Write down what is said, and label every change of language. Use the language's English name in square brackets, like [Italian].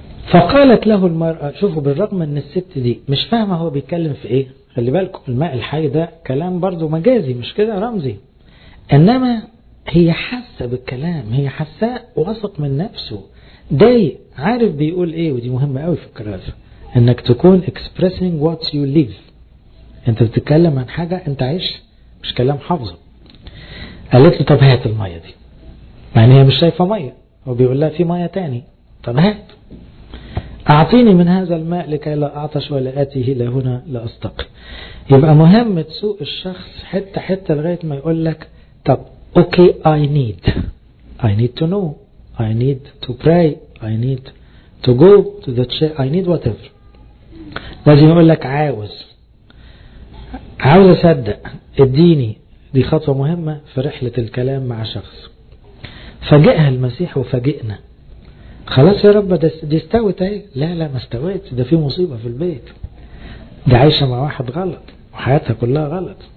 [Arabic] فقالت له المرأة، شوفوا بالرغم ان الست دي مش فاهمة هو بيتكلم في ايه، خلي بالكم الماء الحي ده كلام برضو مجازي مش كده رمزي، انما هي حاسة بالكلام، هي حاسة واثق من نفسه، دايق عارف بيقول ايه، ودي مهمة قوي في الكراسة انك تكون [English] expressing what you live، [Arabic] انت بتتكلم عن حاجة انت عايش مش كلام حافظه. قالت له طب هات المية دي، يعني هي مش شايفة مية، وبيقول لها في مية تاني تمام. أعطيني من هذا الماء لكي لا أعطش ولا آتي إلى هنا لأستقي. يبقى مهم تسوق الشخص حتى حتى لغاية ما يقول لك طب أوكي [English] okay, I need to know, I need to pray, I need to go to the church, I need whatever. [Arabic] لازم يقول لك عاوز أصدق اديني. دي خطوة مهمة في رحلة الكلام مع شخص. فاجئها المسيح وفاجئنا. خلاص يا رب دي استوت اهي. لا ما استوتش، ده في مصيبة في البيت، دي عايشة مع واحد غلط وحياتها كلها غلط.